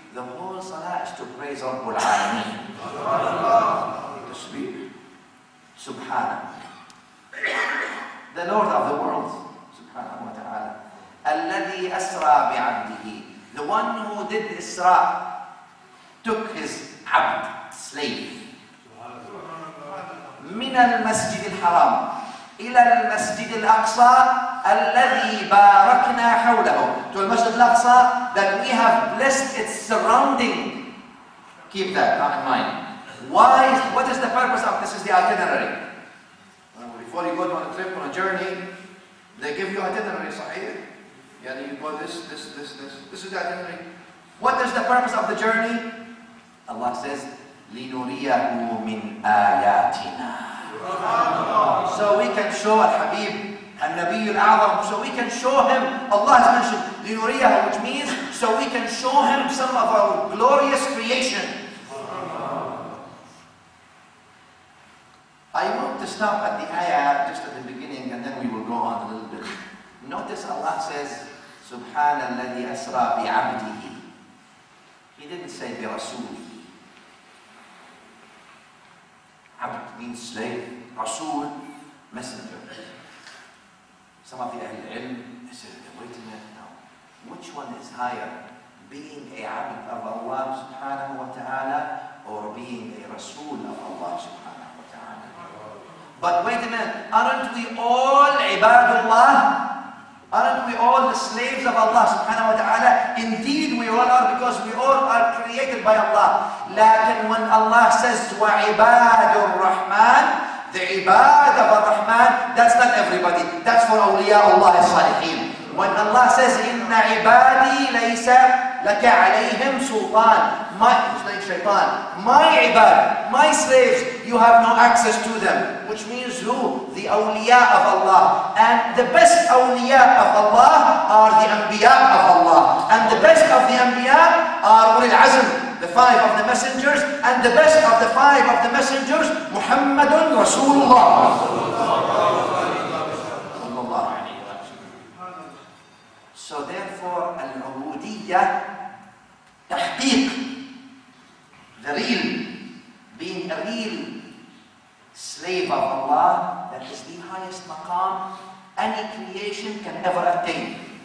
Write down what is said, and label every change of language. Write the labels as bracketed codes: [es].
[en] The whole salah is to praise Rabbul Alameen. Tashbih. Subhanallah. The Lord of the world. [ar] Subhanahu wa ta'ala. Alladhi asra bi'abdihi. [en] The one who did isra, took his abd, slave. [ar] من المسجد الحرام إلى المسجد الأقصى الذي باركنا حوله. [en] To المسجد الأقصى that we have blessed its surrounding. Keep that, not in mind. Why? What is the purpose of this? Is the itinerary. Before you go on a trip, on a journey, they give you itinerary, [ar] صحيح؟ يعني [en] you go this. This is the itinerary. What is the purpose of the journey? Allah says, [ar] لنريه من آياتنا. [en] So we can show al-Habib, al-Nabi al-A'zam. So we can show him, Allah has mentioned, لنريه, which means, so we can show him some of our glorious creation. I want to stop at the ayah, just at the beginning, and then we will go on a little bit. Notice Allah says, [ar] سبحان الذي أسرى بعبده. [en] He didn't say برسوله. Abd means slave, Rasul, messenger. Some of the Ahl al-Ilm said, wait a minute now. Which one is higher? Being a Abd of Allah subhanahu wa ta'ala or being a Rasul of Allah subhanahu wa ta'ala? But wait a minute. Aren't we all Ibadullah? Aren't we all the slaves of Allah subhanahu wa ta'ala? Indeed, we all are because we all are created by Allah. [ar] لكن [en] when Allah says, [ar] وعباد الرحمن, [en] the عباد of الرحمن, that's not everybody. That's for [ar] أولياء الله الصالحين. [en] When Allah says, [ar] إن عبادي ليس لك عليهم سلطان. [en] My, it's like شيطان. My عباد, my slaves, you have no access to them. Which means who? The أولياء of Allah. And the best أولياء of Allah are the أنبياء of Allah. And the best of the أنبياء are [ar] أولي العزم. [en] The five of the messengers, and the best of the five of the messengers, Muhammadun Rasulullah. [ar] Sallallahu alayhi wa sallam. [en] So therefore, al-ubudiyya, tahqiq, the real, being a real slave of Allah, that is the highest maqam any creation can ever attain.